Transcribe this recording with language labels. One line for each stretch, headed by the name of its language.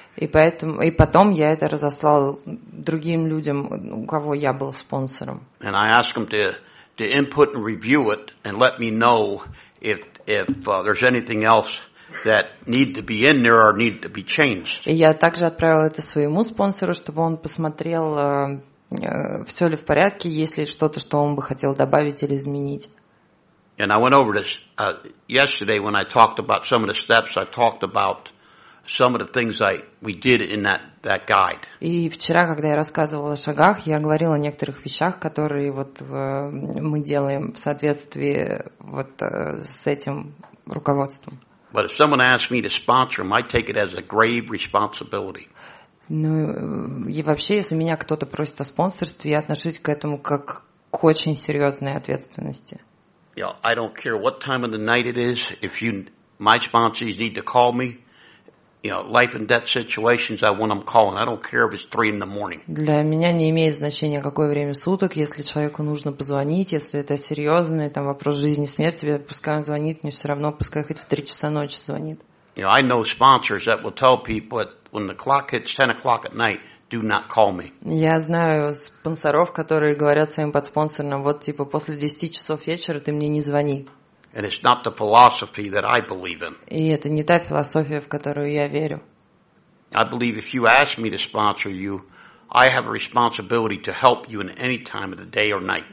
Russian: И потом я это разослал другим людям, у кого я был спонсором.
English: And I ask them to input and review it and let me know if there's anything else that need to be in there or need to be changed.
Russian: И я также отправил это своему спонсору, чтобы он посмотрел, все ли в порядке, есть ли что-то, что он бы хотел добавить или изменить.
English: And I went over this yesterday when I talked about some of the steps. I talked about some of the things we did in that guide.
Russian: И вчера, когда я рассказывала о шагах, я говорила о некоторых вещах, которые вот мы делаем в соответствии вот с этим руководством.
English: But if someone asks me to sponsor them, I take it as a grave responsibility.
Russian: Ну и вообще, если меня кто-то просит о спонсорстве, я отношусь к этому как к очень серьезной ответственности.
English: Yeah, I don't care what time of the night it is. If my sponsors need to call me. You know, life and death situations, I want them calling. I don't care if it's 3 in the morning.
Russian: Для меня не имеет значения, какое время суток, если человеку нужно позвонить, если это серьезный там вопрос жизни и смерти, пускай он звонит, мне все равно, пускай хоть в 3 часа ночи звонит.
English: You know, I know sponsors that will tell people that when the clock hits 10 o'clock at night, do not call me.
Russian: Я знаю спонсоров, которые говорят своим подспонсорам, вот типа после 10 часов вечера ты мне не звони.
English: And it's not the philosophy that I believe in.
Russian: И это не та философия, в которую я верю.
English: I believe if you ask me to sponsor you, I have a responsibility to help you in any time of the day or night.